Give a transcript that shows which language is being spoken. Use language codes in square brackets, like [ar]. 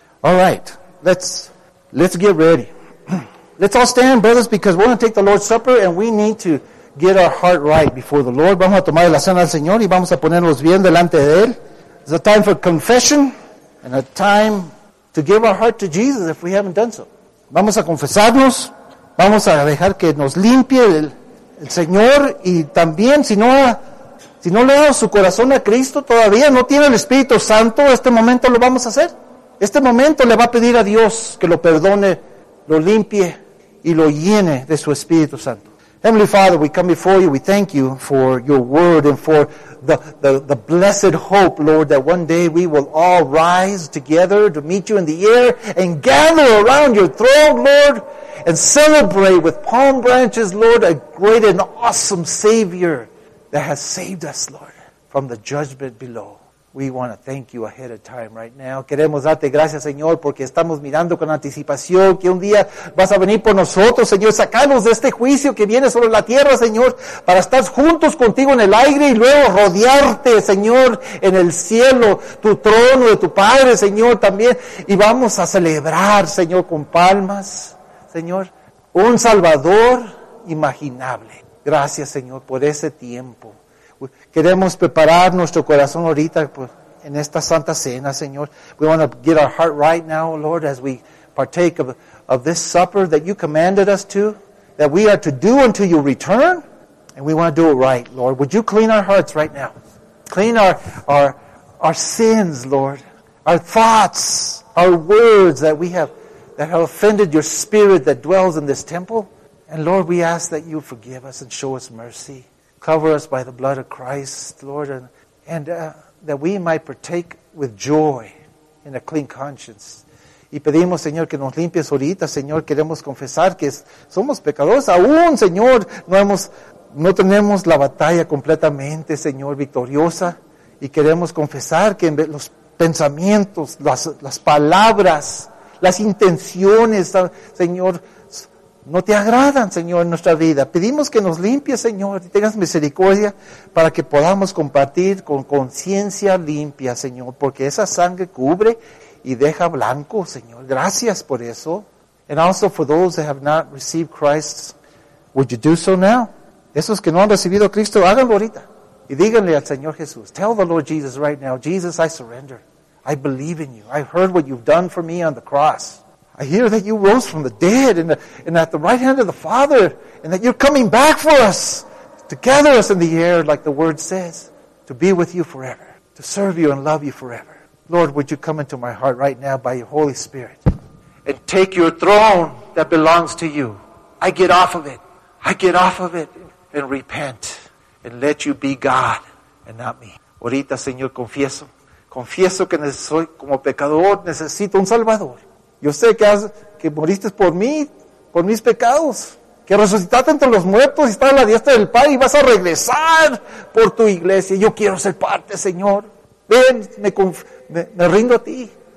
[en] All right, let's get ready. Let's all stand, brothers, because we're going to take the Lord's Supper and we need to get our heart right before the Lord. [es] Vamos a tomar la cena del Señor y vamos a ponernos bien delante de Él. [en] It's a time for confession and a time to give our heart to Jesus if we haven't done so. [es] Vamos a confesarnos, vamos a dejar que nos limpie el Señor, y también si no le damos su corazón a Cristo todavía, no tiene el Espíritu Santo, este momento lo vamos a hacer. Este momento le va a pedir a Dios que lo perdone, lo limpie y lo llene de su Espíritu Santo. [en] Heavenly Father, we come before you, we thank you for your word and for the blessed hope, Lord, that one day we will all rise together to meet you in the air and gather around your throne, Lord, and celebrate with palm branches, Lord, a great and awesome Savior that has saved us, Lord, from the judgment below. We want to thank you ahead of time right now. [es] Queremos darte gracias, Señor, porque estamos mirando con anticipación que un día vas a venir por nosotros, Señor. Sacanos de este juicio que viene sobre la tierra, Señor, para estar juntos contigo en el aire y luego rodearte, Señor, en el cielo, tu trono de tu Padre, Señor, también. Y vamos a celebrar, Señor, con palmas, Señor, un Salvador imaginable. Gracias, Señor, por ese tiempo. Queremos preparar nuestro corazón ahorita, pues, en esta Santa Cena, Señor. [en] We want to get our heart right now, Lord, as we partake of this supper that you commanded us to, that we are to do until you return. And we want to do it right, Lord. Would you clean our hearts right now? Clean our sins, Lord. Our thoughts, our words that have offended your spirit that dwells in this temple. And Lord, we ask that you forgive us and show us mercy. Cover us by the blood of Christ, Lord, and that we might partake with joy in a clean conscience. [es] Y pedimos, Señor, que nos limpies ahorita, Señor. Queremos confesar que somos pecadores. Aún, Señor, no tenemos la batalla completamente, Señor, victoriosa. Y queremos confesar que los pensamientos, las palabras, las intenciones, Señor, no te agradan, Señor, en nuestra vida. Pedimos que nos limpies, Señor, y tengas misericordia para que podamos compartir con conciencia limpia, Señor, porque esa sangre cubre y deja blanco, Señor. Gracias por eso. [en] And also for those that have not received Christ, would you do so now? [es] Esos que no han recibido a Cristo, háganlo ahorita. Y díganle al Señor Jesús, [en] tell the Lord Jesus right now, Jesus, I surrender. I believe in you. I heard what you've done for me on the cross. I hear that you rose from the dead and at the right hand of the Father, and that you're coming back for us, to gather us in the air, like the Word says, to be with you forever, to serve you and love you forever. Lord, would you come into my heart right now by your Holy Spirit and take your throne that belongs to you. I get off of it. I get off of it and repent and let you be God and not me. [es] Ahorita, Señor, confieso. Confieso que soy como pecador, necesito un Salvador. Yo sé que moriste por mí, por mis pecados. Que resucitaste entre los muertos y estás a la diestra del Padre y vas a regresar por tu iglesia. Yo quiero ser parte, Señor. Ven, me rindo a ti.